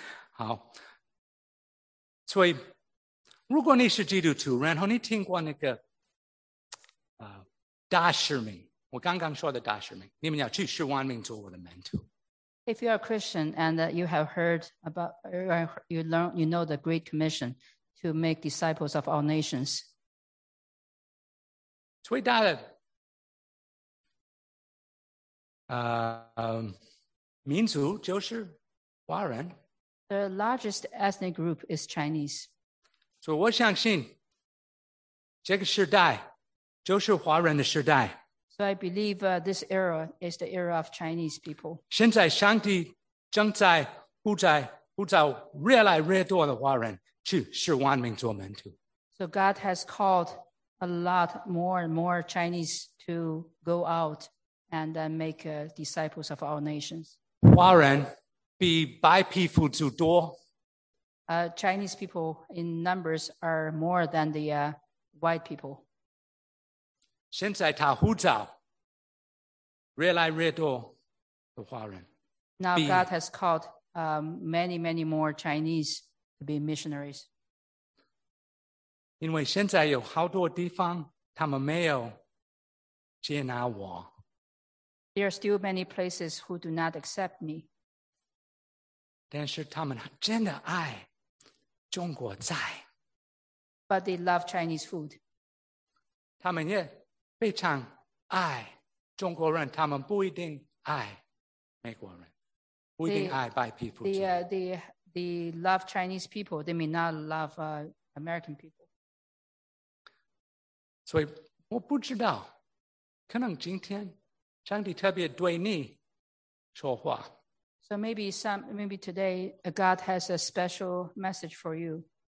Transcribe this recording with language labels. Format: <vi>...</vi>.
<zh>好，所以如果你是基督徒，然后你听过那个大使命，我刚刚说的大使命，你们要去使万民做我的门徒。</zh> <en>If you are a Christian and you have heard about, you know the Great Commission to make disciples of all nations.</en> <zh>最大的民族就是华人。</zh> <en>The largest ethnic group is Chinese. So</en> <zh>我相信这个时代就是华人的时代。</zh> <en>So I believe this era is the era of Chinese people.</en> <zh>现在上帝正在呼召越来越多的华人去使万民做门徒。</zh> <en>So God has called a lot more and more Chinese to go out and make disciples of all nations.</en> <zh>华人比白皮肤族多。</zh> <en>Chinese people in numbers are more than the white people.</en> <zh>现在他呼召越来越多的华人。</zh> <en>Now God has called many, many more Chinese to be missionaries.</en> <zh>因为现在有好多地方他们没有接纳我。</zh> <en>There are still many places who do not accept me.</en> <zh>但是他们真的爱中国菜。</zh> <en>But they love Chinese food.</en> <zh>他们也非常爱中国人他们不一定爱美国人。不一定爱白皮肤。</zh> <en>They love Chinese people, they may not love American people.</en> <zh>所以我不知道可能今天上帝特别对你说话。</zh> <en>So maybe today God has a special message for you.</en>